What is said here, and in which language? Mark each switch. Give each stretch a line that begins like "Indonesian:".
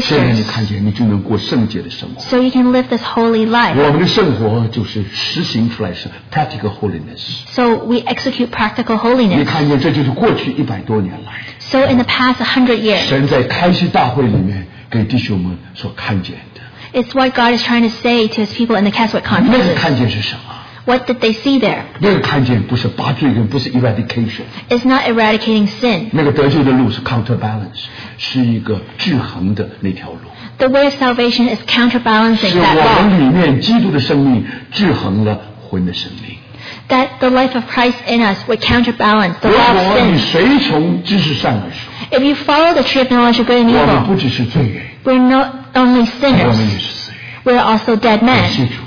Chinese: 现在你看见，你就能过圣洁的生活。
English: So you can live this holy life.
Chinese: 我们的生活就是实行出来是
English: practical holiness. So we execute practical holiness.
Chinese: 你看见，这就是过去一百多年来。
English: So in the past 100 years,
Chinese: 神在开示大会里面给弟兄们所看见的。
English: It's what God is trying to say to his people in the Keswick Conference.
Chinese: 那个看见是什么？
English: What did they see there?
Chinese: 那个看见不是拔罪根，不是 eradication.
English: It's not eradicating sin.
Chinese: 那个得救的路是 counterbalance, 是一个制衡的那条路。
English: The way of salvation is counterbalancing that law.
Chinese: 是我们里面基督的生命制衡了魂的生命。
English: That the life of Christ in us would counterbalance the law of sin.
Chinese: 如果你随从知识善恶树,
English: If you follow the tree of knowledge of good and evil, we're not only sinners, we're also dead men.